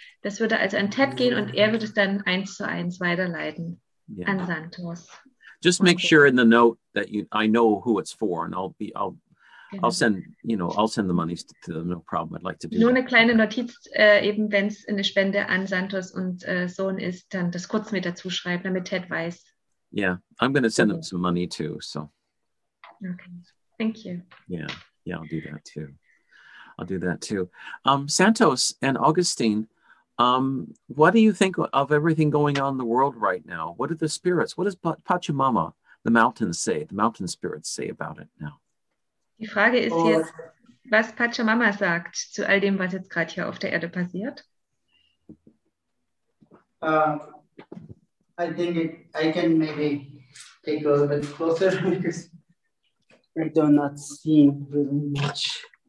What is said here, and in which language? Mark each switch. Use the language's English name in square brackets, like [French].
[German] Das würde also an Ted gehen, und er würde es dann 1:1 weiterleiten an Santos. [English] Just make sure in the note that I know who it's for, and I'll send the money to them, no problem. I'd like to do [German] nur eine kleine Notiz, eben wenn es eine Spende an Santos und Sohn ist, dann das kurz mit dazu schreiben, damit Ted weiß. [English] Yeah, I'm going to send them some money too, so. Okay, thank you. Yeah, I'll do that too. Santos and Augustine, what do you think of everything going on in the world right now? What are the spirits, what does Pachamama, the mountains say, the mountain spirits say about it now? [German] Die Frage ist jetzt, was Pachamama sagt zu all dem, was jetzt gerade hier auf der Erde passiert. [English] I think I can maybe take a little bit closer because I do not see really much.